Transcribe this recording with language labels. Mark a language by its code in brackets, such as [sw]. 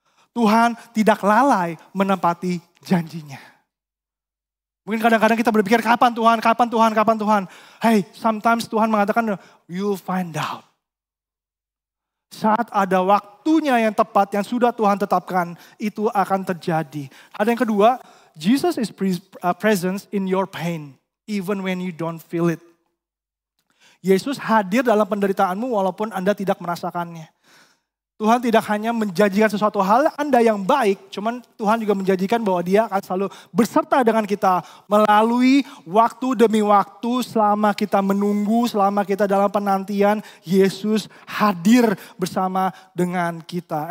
[id] Tuhan tidak lalai menempati janjinya. Mungkin kadang-kadang kita berpikir, kapan Tuhan, kapan Tuhan, kapan Tuhan. Hey, sometimes Tuhan mengatakan, [en] you'll find out. [id] Saat ada waktunya yang tepat, yang sudah Tuhan tetapkan, itu akan terjadi. Ada yang kedua, [en] Jesus is present in your pain, even when you don't feel it. [id] Yesus hadir dalam penderitaanmu walaupun Anda tidak merasakannya. Tuhan tidak hanya menjanjikan sesuatu hal Anda yang baik, cuman Tuhan juga menjanjikan bahwa Dia akan selalu berserta dengan kita melalui waktu demi waktu selama kita menunggu, selama kita dalam penantian, Yesus hadir bersama dengan kita.